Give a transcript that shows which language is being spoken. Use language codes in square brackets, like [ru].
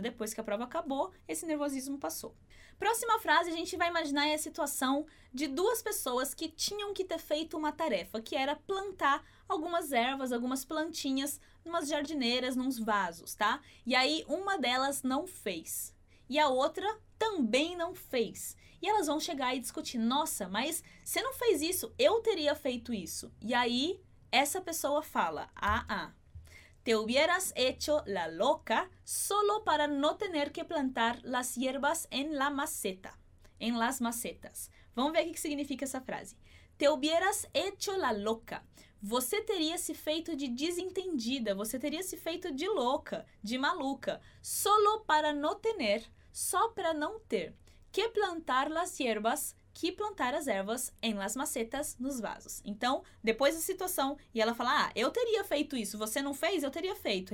[pt] Depois que a prova acabou, esse nervosismo passou. Próxima frase, a gente vai imaginar a situação de duas pessoas que tinham que ter feito uma tarefa, que era plantar algumas ervas, algumas plantinhas, numas jardineiras, nos vasos, tá? E aí, uma delas não fez. E a outra também não fez. E elas vão chegar e discutir, nossa, mas você não fez isso, eu teria feito isso. E aí, essa pessoa fala, [es] te hubieras hecho la loca solo para no tener que plantar las hierbas en la maceta. En las macetas. [pt] Vamos ver o que significa essa frase. [es] Te hubieras hecho la loca. [pt] Você teria se feito de desentendida. Você teria se feito de louca, de maluca. [es] Solo para no tener, [pt] só para não ter, [es] que plantar las hierbas, [pt] que plantar as ervas [es] em las macetas, [pt] nos vasos. Então, depois da situação, e ela fala, eu teria feito isso, você não fez, eu teria feito.